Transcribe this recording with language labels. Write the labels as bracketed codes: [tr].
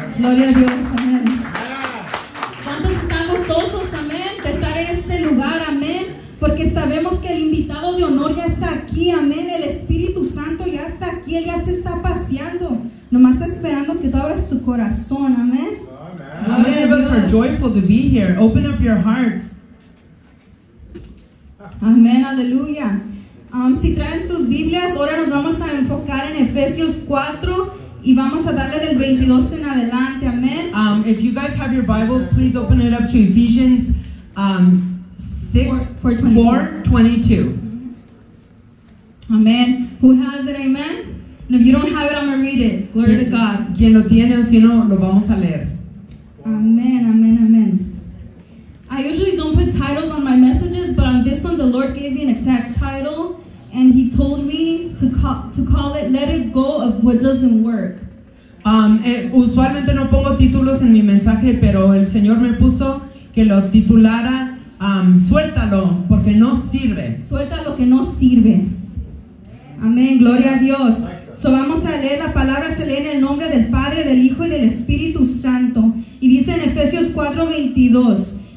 [es] Gloria a Dios, amén. ¿Cuántos están gozosos, amén, de estar en este lugar, amén? Porque sabemos que el invitado de honor ya está aquí, amén. El Espíritu Santo ya está aquí, Él ya se está paseando. Nomás está esperando que tú abras tu corazón, amén. [en] How many of us are joyful to be here? Open up your hearts. [es] Amén, aleluya. Si traen sus Biblias, ahora nos vamos a enfocar en Efesios 4 y vamos a darle del 22 en adelante, amén. [en] If you guys have your Bibles, please open it up to Ephesians 4:22. Amén. Who has it, amen? And if you don't have it, I'm going to read it. Glory to God. [es] Quien lo tiene o si no, lo vamos a leer. Amén, amén, amén. [en] I usually don't put titles on my messages, but on this one, the Lord gave me an exact title, and He told me to call it "Let It Go of What Doesn't Work." [es] Usualmente no pongo títulos en mi mensaje, pero el Señor me puso que lo titulara "Suéltalo porque no sirve." Suelta lo que no sirve. Amén. Gloria a Dios. [en] So [es] vamos a leer la palabra, se lee en el nombre del Padre, del Hijo y del Espíritu Santo, y dice en Efesios 4:22.